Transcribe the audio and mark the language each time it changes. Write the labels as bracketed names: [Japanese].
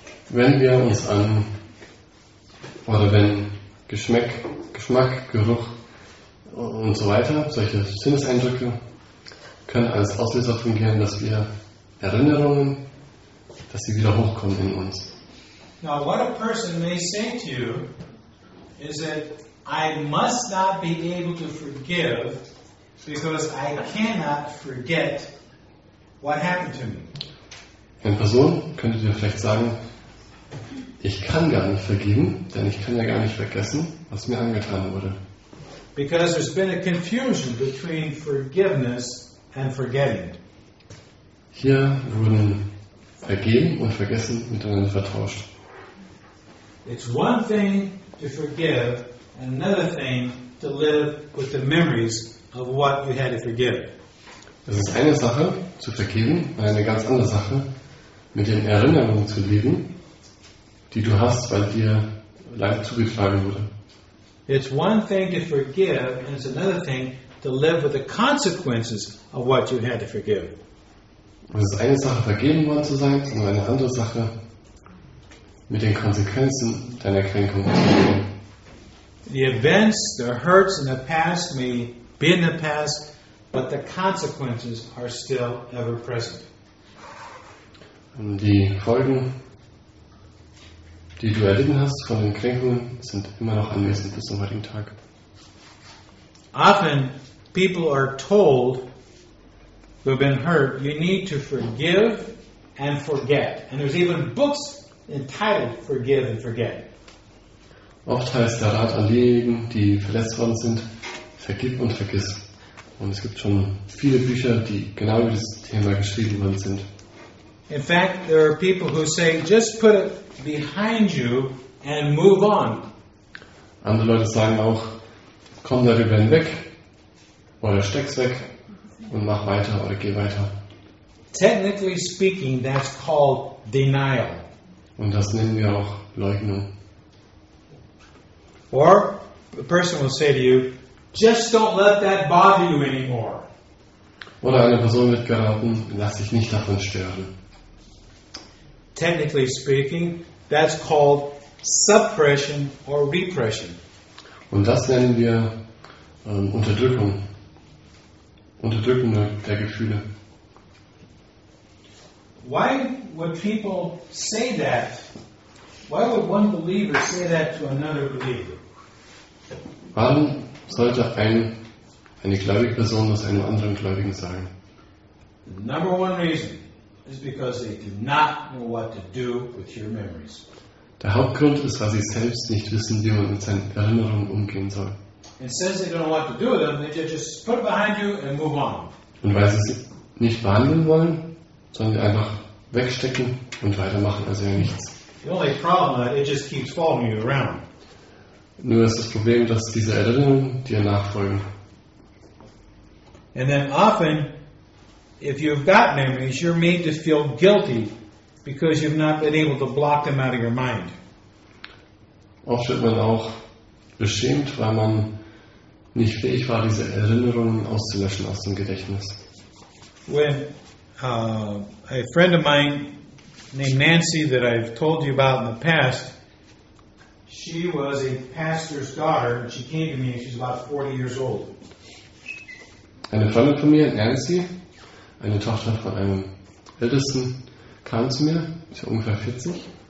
[German] Wenn wir uns an, oder wenn Geschmack, Geruch und so weiter, solche Sinneseindrücke können als Auslöser fungieren, dass wir Erinnerungen, dass sie wieder hochkommen in uns. [English] Now what a person may say to you is that I must not be able to forgive because I cannot forget what happened to me. [German] Eine Person könnte dir vielleicht sagen, ich kann gar nicht vergeben, denn ich kann ja gar nicht vergessen, was mir angetan wurde. [English] Because there's been a confusion between forgiveness and forgetting. [German] Hier wurden Vergeben und Vergessen miteinander vertauscht. [English] It's one thing to forgive, and another thing to live with the memories of what you had to forgive. [German] Es ist eine Sache zu vergeben, und eine ganz andere Sache mit den Erinnerungen zu leben, die du hast, weil dir Leid zugetragen wurde. [English] It's one thing to forgive, and it's another thing to live with the consequences of what you had to forgive. [German] Es ist eine Sache, vergeben worden zu sein, und eine andere Sache, mit den Konsequenzen deiner Kränkung zu leben. [English] The events, the hurts in the past may be in the past, but the consequences are still ever present. [German] Und die Folgen, die du erlitten hast von den Kränkungen, sind immer noch anwesend bis zum heutigen Tag. [English] Often people are told who have been hurt, you need to forgive and forget. And there's even books entitled Forgive and Forget. [German] Oft heißt der Rat an diejenigen, die verletzt worden sind, vergib und vergiss. Und es gibt schon viele Bücher, die genau über dieses Thema geschrieben worden sind. [English] In fact, there are people who say, just put it behind you and move on. [German] Andere Leute sagen auch, komm darüber hinweg oder steck's weg und mach weiter oder geh weiter. [English] Technically speaking, that's called denial. [German] Und das nennen wir auch Leugnung. [English] Or a person will say to you, just don't let that bother you anymore. [German] Oder eine Person wird geraten, lass dich nicht davon stören. [English] Technically speaking, that's called suppression or repression. [German] Und das nennen wir Unterdrückung. Unterdrückung der Gefühle. [English] Why would people say that? Why would one believer say that to another believer? [German] Wann sollte eine gläubige Person das einem anderen Gläubigen sagen? [English] The number one reason is because they do not know what to do with your memories. [German] Der Hauptgrund ist, weil sie selbst nicht wissen, wie man mit seinen Erinnerungen umgehen soll. [English] And since they don't know what to do with them, they just put it behind you and move on. [German] Und weil sie es nicht behandeln wollen, sollen sie einfach wegstecken und weitermachen, als wäre nichts. [English] The only problem is that it just keeps following you around. [German] Nur ist das Problem, dass diese Erinnerungen dir nachfolgen. [English] And then often, if you've got memories, you're made to feel guilty because you've not been able to block them out of your mind. [German] Oft wird man auch beschämt, weil man nicht fähig war, diese Erinnerungen auszulöschen aus dem Gedächtnis. [English] When a friend of mine named Nancy that I've told you about in the past, she was a pastor's daughter, and she came to me, and she's about 40 years old. [German] Eine Freundin von mir, Nancy, eine Tochter von einem Ältesten, kam zu mir, sie ist ungefähr 40.